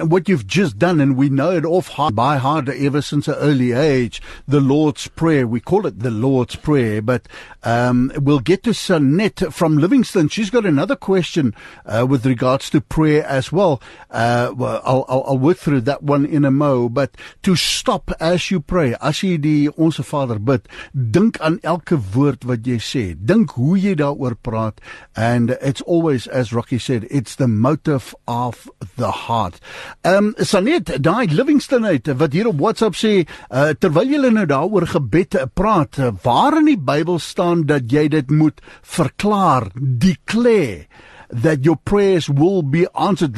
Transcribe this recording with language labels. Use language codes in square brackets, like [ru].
[en] And what you've just done, and we know it off by heart ever since an early age, the Lord's Prayer. We call it the Lord's Prayer, but we'll get to Sunette from Livingston. She's got another question with regards to prayer as well. I'll work through that one in a mo, but to stop as you pray. [af] As jy die onsse Vader bid, dink aan elke woord wat jy sê. Dink hoe jy daaroor praat, [en] and it's always, as Rocky said, it's the motive of the heart. [af] Sanet, daai Livingston uit, wat hier op WhatsApp sê, terwyl jy nou daaroor gebed praat, waar in die Bybel staan dat jy dit moet verklaar, [en] declare, that your prayers will be answered.